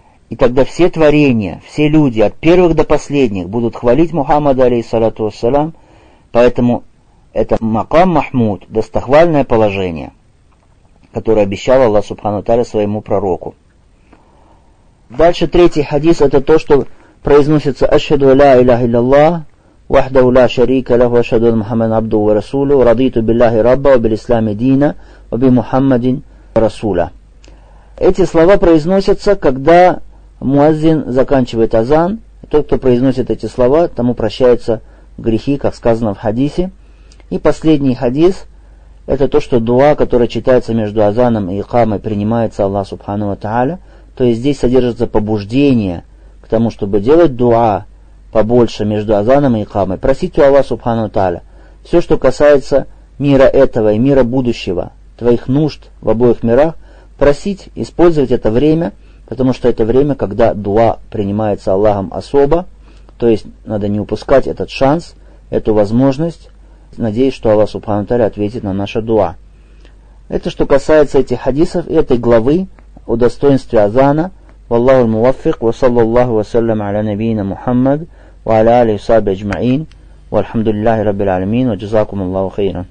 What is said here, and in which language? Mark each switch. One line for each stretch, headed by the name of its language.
Russian: И тогда все творения, все люди, от первых до последних, будут хвалить Мухаммада, алейхиссалату вассалям, поэтому это макам Махмуд, достохвальное положение, которое обещал Аллах Субхану ва Та'аля своему пророку. Дальше третий хадис, это то, что произносится
Arabic: «Ашхаду ля илляха илляллах». وحده لا شريك له واشهد ان محمد عبده ورسوله رضيت بالله ربا وبالاسلام دينا وبمحمد رسولا.
Russian: Эти слова произносятся, когда муаззин заканчивает азан. Тот, кто произносит эти слова, тому прощаются грехи, как сказано в хадисе. И последний хадис – это то, что дуа, которая читается между азаном и икамой, принимается Аллах Субхану ва Та'аля. То есть здесь содержится побуждение к тому, чтобы делать дуа побольше между азаном и икамой, просить у Аллаха Субхану Тааля все, что касается мира этого и мира будущего, твоих нужд в обоих мирах, просить, использовать это время, потому что это время, когда дуа принимается Аллахом особо, то есть надо не упускать этот шанс, эту возможность, надеясь, что Аллах Субхану Тааля ответит на наше дуа. Это что касается этих хадисов и этой главы о достоинстве азана.
Arabic: والله الموفق وصلى الله وسلم على نبينا محمد وعلى آله وصحبه أجمعين والحمد لله رب العالمين وجزاكم الله خيرا.